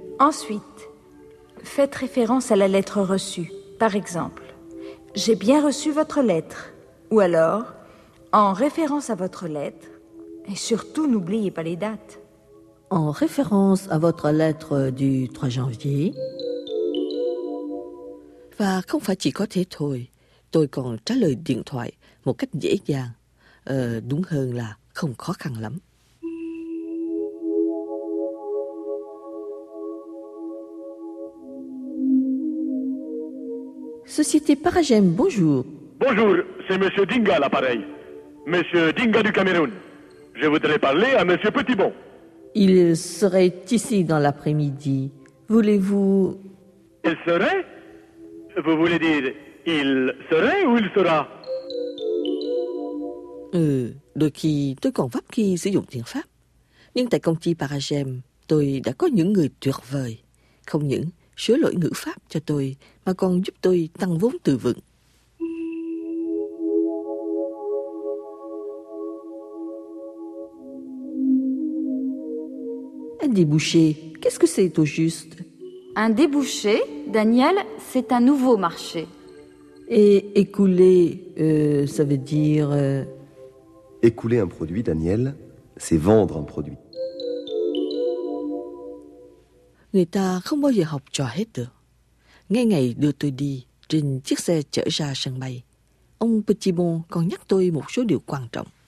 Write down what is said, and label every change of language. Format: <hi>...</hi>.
<fr>Ensuite, faites référence à la lettre reçue. Par exemple, j'ai bien reçu votre lettre. Ou alors, en référence à votre lettre, et surtout n'oubliez pas les dates. En référence à votre lettre du 3 janvier.</fr> <vi>Và không phải chỉ có thế thôi, tôi còn trả lời điện thoại một cách dễ dàng. Đúng hơn là không khó khăn lắm.</vi> <fr>Société Paragem, bonjour. Bonjour, c'est Monsieur Dinga à l'appareil. Monsieur Dinga du Cameroun. Je voudrais parler à Monsieur Petitbon. Il serait ici dans l'après-midi. Voulez-vous... Il serait? Vous voulez dire il serait ou il sera?</fr> <vi>Đôi khi tôi còn vấp khi sử dụng tiếng Pháp. Nhưng tại công ty Paragem, tôi đã có những người tuyệt vời. không những sửa lỗi ngữ pháp cho tôi mà còn giúp tôi tăng vốn từ vựng.</vi> <fr>Un débouché, qu'est-ce que c'est au juste? Un débouché, Daniel, c'est un nouveau marché. Et écouler, ça veut dire... Écouler un produit, Daniel, c'est vendre un produit.</fr> <vi>Người ta không bao giờ học trò hết được. Ngay ngày đưa tôi đi trên chiếc xe chở ra sân bay, ông Petitbon còn nhắc tôi một số điều quan trọng.</vi>